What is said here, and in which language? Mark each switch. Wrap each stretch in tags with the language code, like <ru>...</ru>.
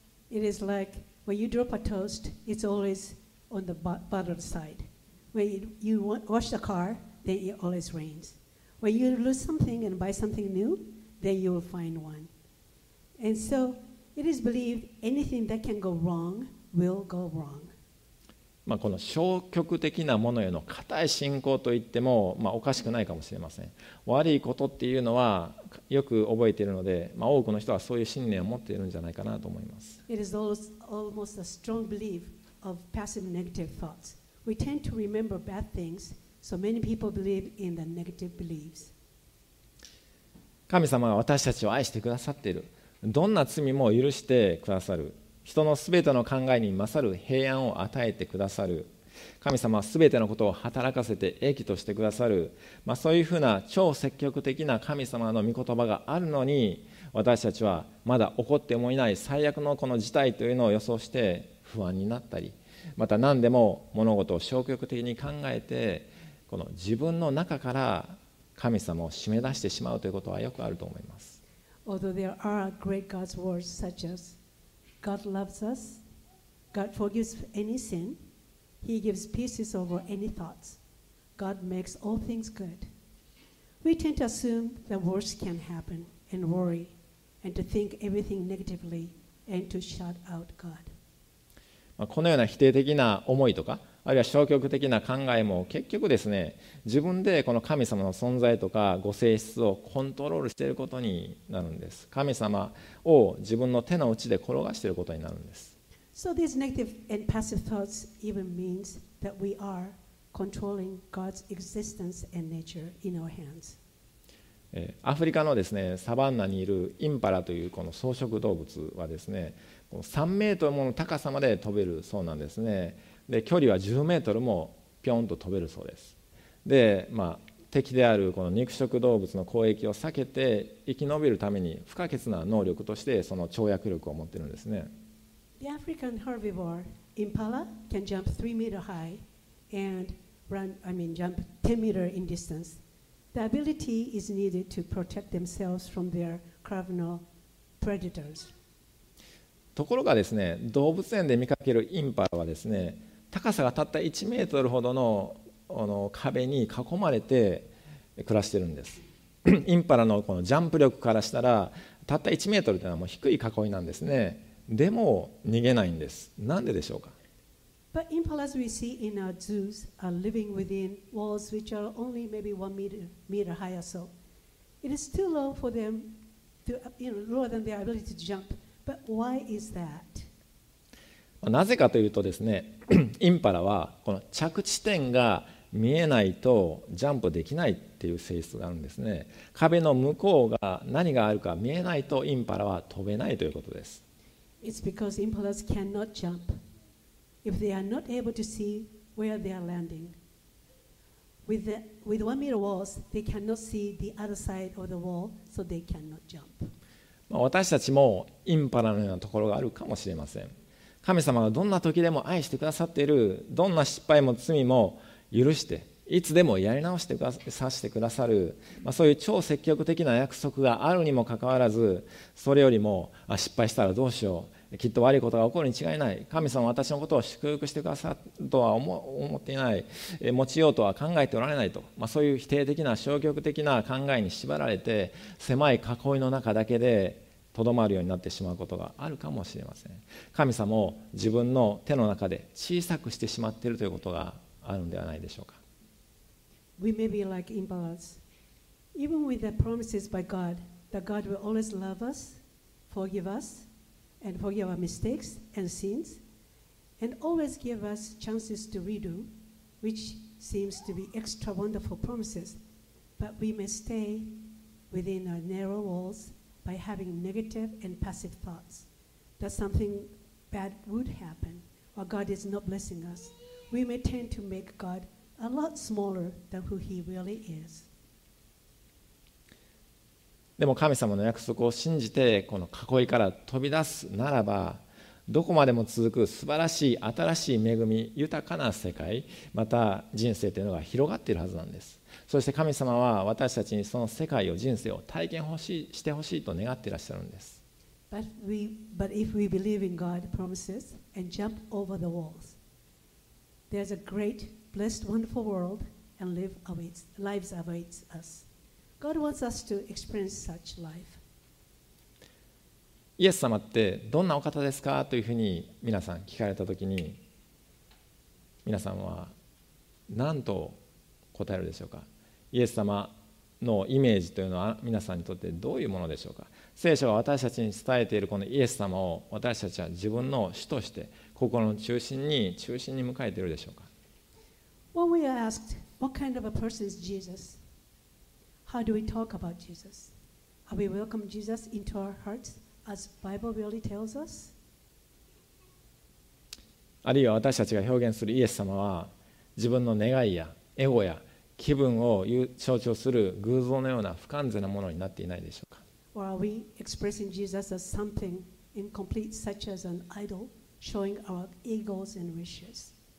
<en>It is like when you drop a toast, it's always on the bottom side. When you wash the car, then it always rains. When you lose something and buy something new, then you will find one. And so it is believed anything that can go wrong will go wrong.</en> <ja>まあ、この消極的なものへの固い信仰といってもまあおかしくないかもしれません。悪いことっていうのはよく覚えているので、まあ、多くの人はそういう信念を持っているんじゃないかなと思います。</ja> <en>It is almost a strong belief of passive negative thoughts. We tend to remember bad things, so many people believe in the negative beliefs.</en> <ja>神様は私たちを愛してくださっている。どんな罪も許してくださる。人のすべての考えに勝る平安を与えてくださる。神様はすべてのことを働かせて益としてくださる。まあ、そういうふうな超積極的な神様の御言葉があるのに、私たちはまだ起こってもいない最悪のこの事態というのを予想して不安になったり、また何でも物事を消極的に考えて、この自分の中から神様を締め出してしまうということはよくあると思います。</ja> <en>Although there are great God's words such as,God loves us. God forgives any sin. He gives peace over any thoughts. God makes all things good. We tend to assume the worst can happen and worry and to think everything negatively and to shut out God.</en> <ja>このような否定的な思いとか、あるいは消極的な考えも結局ですね、自分でこの神様の存在とかご性質をコントロールしていることになるんです。神様を自分の手の内で転がしていることになるんです。</ja> <en>So these negative and passive thoughts even means that we are controlling God's existence and nature in our hands.</en> <ja>アフリカのですね、サバンナにいるインパラというこの草食動物はですね、3メートルもの高さまで飛べるそうなんですね。で距離は10メートルもピョンと飛べるそうです。で、まあ、敵であるこの肉食動物の攻撃を避けて生き延びるために不可欠な能力としてその跳躍力を持っているんですね。</ja> <en>The African herbivore impala can jump 3 meter high and run, I mean jump 10 meter in distance. The ability is needed to protect themselves from their carnivorous predators.</en> <ja>ところがですね、動物園で見かけるインパラはですね、高さがたった1メートルほど の壁に囲まれて暮らしているんです。インパラ このジャンプ力からしたら、たった1メートルというのはもう低い囲いなんですね。でも逃げないんです。なんででしょうか。</ja> <en>But impalas we see in our zoos are living within walls which are only maybe 1 meter high or so. It is too low for them to, you know, lower than their ability to jump. But why is that?</en> <ja>なぜかというとですね、インパラはこの着地点が見えないとジャンプできないっていう性質があるんですね。壁の向こうが何があるか見えないとインパラは飛べないということです。</ja> <en>It's because impalas cannot jump if they are not able to see where they are landing. With 1 meter walls, they cannot see the other side of the wall, so they cannot jump.</en> <ja>私たちもインパラのようなところがあるかもしれません。神様がどんな時でも愛してくださっている。どんな失敗も罪も許していつでもやり直してくださる、まあ、そういう超積極的な約束があるにもかかわらず、それよりも失敗したらどうしよう、きっと悪いことが起こるに違いない、神様は私のことを祝福してくださるとは思っていない、持ちようとは考えておられないと、まあ、そういう否定的な消極的な考えに縛られて狭い囲いの中だけでとどまるようになってしまうことがあるかもしれません。神様を自分の手の中で小さくしてしまっているということがあるのではないでしょうか。</ja> <en>We may be like impalas. Even with the promises by God that God will always love us, forgive usand forgive our mistakes and sins, and always give us chances to redo, which seems to be extra wonderful promises, but we may stay within our narrow walls by having negative and passive thoughts that something bad would happen or God is not blessing us. We may tend to make God a lot smaller than who he really is.</en> <ja>でも神様の約束を信じてこの囲いから飛び出すならば、どこまでも続く素晴らしい新しい恵み、豊かな世界、また人生というのが広がっているはずなんです。そして神様は私たちにその世界を、人生を体験してほしいと願っていらっしゃるんです。</ja> <en>But if we believe in God's promises and jump over the walls, there's a great, blessed, wonderful world and lives awaits us. God wants us to experience such life.</en> <ja>イエス様ってどんなお方ですかというふうに皆さん聞かれたときに、皆さんは何と答えるでしょうか。イエス様のイメージというのは皆さんにとってどういうものでしょうか。聖書は私たちに伝えているこのイエス様を、私たちは自分の主として心の中心に迎えているでしょうか。</ja> <en>When we are asked what kind of a person is Jesus, how do we talk about Jesus? Are we welcome Jesus into our hearts? As Bible really tells us?</en> <ja>あるいは私たちが表現するイエス様は、自分の願いやエゴや気分を象徴する偶像のような不完全なものになっていないでしょうか。</ja> <en>Or are we expressing Jesus as something incomplete, such as an idol, showing our egos and wishes?</en>